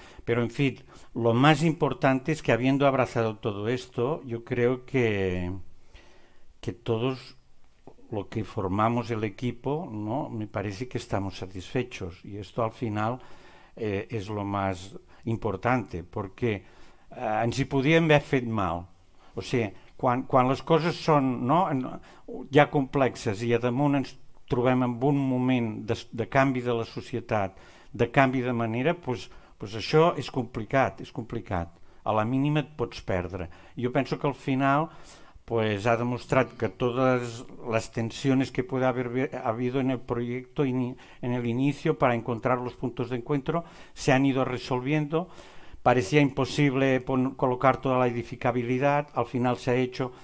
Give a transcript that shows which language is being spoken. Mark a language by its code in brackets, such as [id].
[es] Pero, en fin, lo más importante es que, habiendo abrazado todo esto, yo creo que todos lo que formamos el equipo, ¿no?, me parece que estamos satisfechos, y esto al final es lo más importante, [ca] porque ens hi podíem haver fet mal. O sigui, quan les coses són, no?, ja complexes, i a damunt ens trobem en un moment de canvi de la societat, de canvi de manera, pues això és complicat, és complicat. A la mínima et pots perdre. Jo penso que al final pues ha demostrat que totes les tensions que pot haver habido [es] en el projecte, en el inicio, para encontrar los puntos de encuentro, se han ido resolviendo. Parecía imposible colocar toda la edificabilidad, al final se ha hecho.